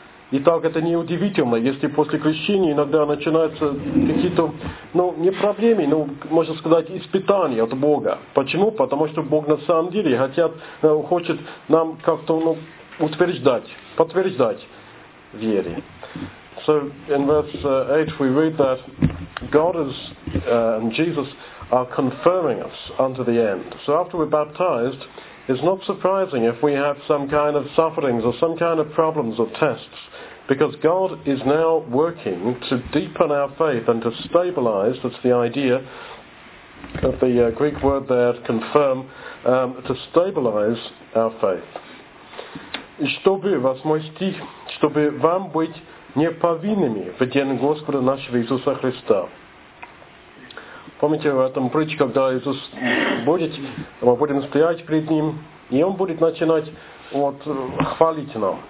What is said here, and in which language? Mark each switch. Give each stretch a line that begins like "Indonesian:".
Russian: Итак, это неудивительно, если после крещения иногда начинаются какие-то, ну, не проблемы, но, можно сказать, испытания от Бога. Почему? Потому что Бог на самом деле хочет нам как-то, ну, утверждать, подтверждать вере.
English: So, in verse 8 we read that God is, and Jesus are confirming us unto the end. So after we're baptized, it's not surprising if we have some kind of sufferings or some kind of problems or tests, because God is now working to deepen our faith and to stabilize, that's the idea of the Greek word there, confirm, to stabilize our faith.
Russian: Чтобы, восьмой стих, чтобы вам быть неповинными в день Господа нашего Иисуса Христа. Помните в этом притче, когда Иисус будет, мы будем стоять перед Ним, и Он будет начинать вот хвалить нам.